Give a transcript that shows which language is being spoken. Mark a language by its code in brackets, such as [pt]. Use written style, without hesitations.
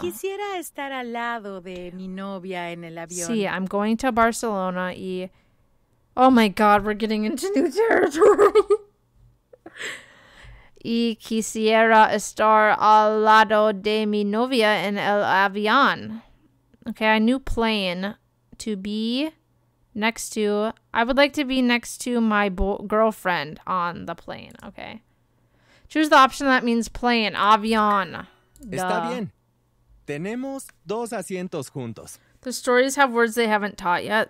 [es] Y quisiera estar al lado de mi novia en el avión. Sí, [en] I'm going to Barcelona y... Oh my God, we're getting into new territory. [es] Y quisiera estar al lado de mi novia en el avión. [en] Okay, a new plane to be next to... I would like to be next to my girlfriend on the plane, okay? Choose the option that means plane, avión. [es] Está bien. Tenemos dos asientos juntos. [en] The stories have words they haven't taught yet.